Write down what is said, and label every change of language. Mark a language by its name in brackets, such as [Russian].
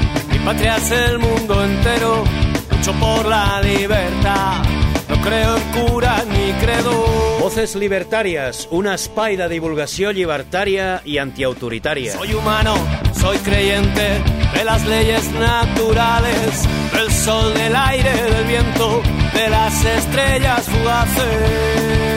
[Spanish] Mi patria es el mundo entero, lucho por la libertad. No creo en cura ni credo. [Catalan] Voces libertarias, una espai de divulgació llibertària i antiautoritària. [Spanish] Soy humano, soy creyente de las leyes naturales, del sol, del aire, del viento, de las estrellas fugaces.